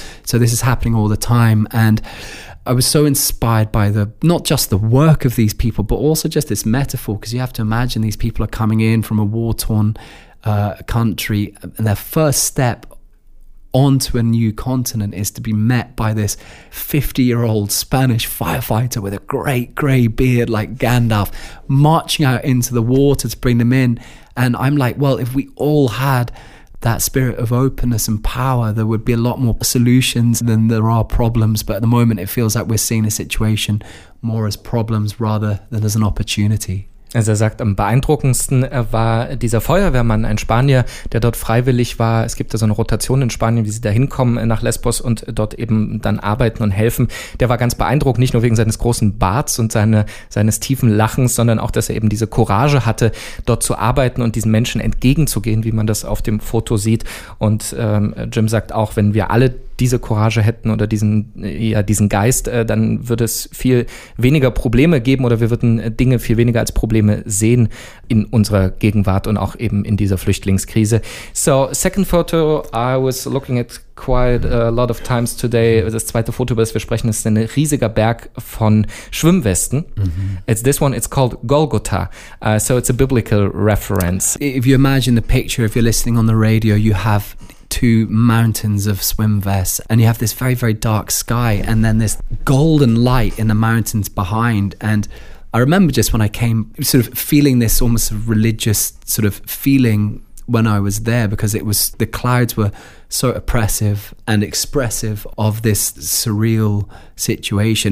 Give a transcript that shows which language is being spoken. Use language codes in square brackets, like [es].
[en] So this is happening all the time. And I was so inspired by the, not just the work of these people, but also just this metaphor, because you have to imagine these people are coming in from a war-torn country, and their first step onto a new continent is to be met by this 50-year-old Spanish firefighter with a great grey beard like Gandalf, marching out into the water to bring them in. And I'm like, well, if we all had that spirit of openness and power, there would be a lot more solutions than there are problems. But at the moment, it feels like we're seeing a situation more as problems rather than as an opportunity. [de] Also er sagt, am beeindruckendsten war dieser Feuerwehrmann, ein Spanier, der dort freiwillig war. Es gibt da so eine Rotation in Spanien, wie sie da hinkommen nach Lesbos und dort eben dann arbeiten und helfen. Der war ganz beeindruckt, nicht nur wegen seines großen Barts und seines tiefen Lachens, sondern auch, dass er eben diese Courage hatte, dort zu arbeiten und diesen Menschen entgegenzugehen, wie man das auf dem Foto sieht. Und Jim sagt auch, wenn wir alle diese Courage hätten oder diesen Geist, dann würde es viel weniger Probleme geben, oder wir würden Dinge viel weniger als Probleme sehen in unserer Gegenwart und auch eben in dieser Flüchtlingskrise. [en] So, second photo I was looking at quite a lot of times today. [de] Das zweite Foto, über das wir sprechen, ist ein riesiger Berg von Schwimmwesten. Mm-hmm. [en] It's this one, it's called Golgotha. So it's a biblical reference. If you imagine the picture, if you're listening on the radio, you have two mountains of swim vests, and you have this very, very dark sky, and then this golden light in the mountains behind. And I remember just when I came, sort of feeling this almost religious sort of feeling when I was there, because it was, the clouds were so oppressive and expressive of this surreal situation.